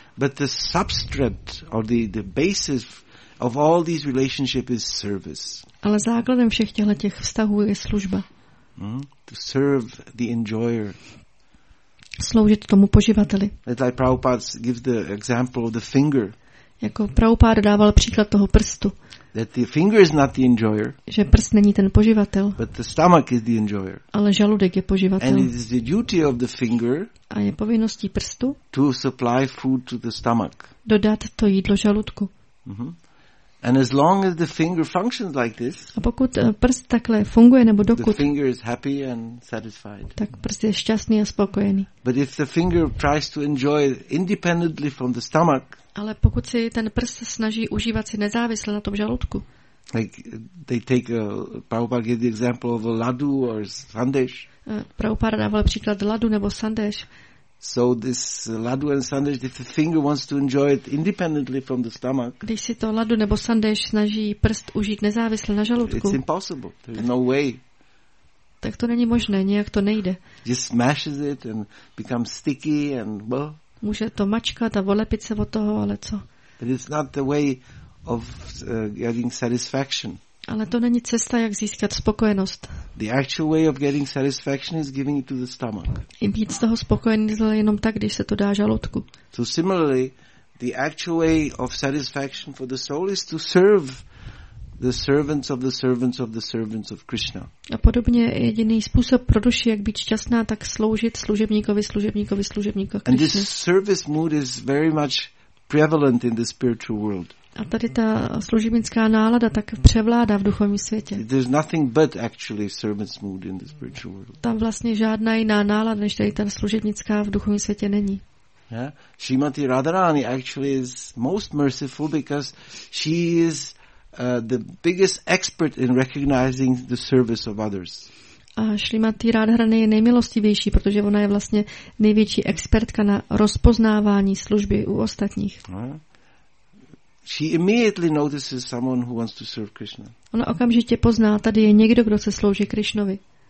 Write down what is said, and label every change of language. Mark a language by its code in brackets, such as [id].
[en] But the substrate or the basis of all these relationships is service. [cs] Ale základem všech těchto vztahů je služba. [en] Mm-hmm. To serve the enjoyer. [cs] Sloužit tomu poživateli. [en] It's like Prabhupada gives the example of the finger. [cs] Jako Prabhupada dával příklad toho prstu. [en] That the finger is not the enjoyer. [cs] Že prst není ten poživatel. [en] But the stomach is the enjoyer. [cs] Ale žaludek je poživatel. [en] And it is the duty of the finger. [cs] A je povinností prstu. [en] To supply food to the stomach. [cs] Dodat to jídlo žaludku. Mm-hmm. [en] And as long as the finger functions like this. [cs] A pokud prst takhle funguje, nebo dokud. [en] The finger is happy and satisfied. [cs] Tak prst je šťastný a spokojený. [en] But if the finger tries to enjoy independently from the stomach. [cs] Ale pokud si ten prst snaží užívat si nezávisle na tom žaludku. [en] Like they take Prabhupada gives the example of a ladu or sandesh. [cs] Prabhupada dával příklad ladu nebo sandesh. [en] So this ladu and sandesh, if the finger wants to enjoy it independently from the stomach. [cs] Když si to ladu nebo sandesh snaží prst užít nezávisle na žaludku. [en] It's impossible. There's no way. [cs] Tak to není možné, nějak to nejde. [en] Just smashes it and becomes sticky and well. [cs] Může to mačkat a volepit se od toho, ale co? [en] But it's not the way of getting satisfaction. [cs] Ale to není cesta, jak získat spokojenost. [en] The actual way of getting satisfaction is giving it to the stomach. [cs] I být z toho spokojený je jenom tak, když se to dá žaludku. [en] So similarly, the actual way of satisfaction for the soul is to serve the servants of the servants of the servants of Krishna. [cs] A podobně jediný způsob pro duši, jak být šťastná, tak sloužit služebníkovi, služebníkovi, služebníkovi Krishna. [en] And this service mood is very much prevalent in the spiritual world. [cs] A tady ta služebnická nálada tak převládá v duchovním světě. [en] There's nothing but actually servant's mood in the spiritual world. [cs] Tam vlastně žádná jiná nálada než tady ta služebnická v duchovním světě není. Yeah. [en] Srimati Radharani actually is most merciful because she is the biggest expert in recognizing the service of others. [cs] A Srimati Radharani je nejmilostivější, protože ona je vlastně největší expertka na rozpoznávání služby u ostatních. [en] She immediately notices someone who wants to serve Krishna. [cs] Ona okamžitě pozná, tady je někdo, kdo se slouží Krishnovi.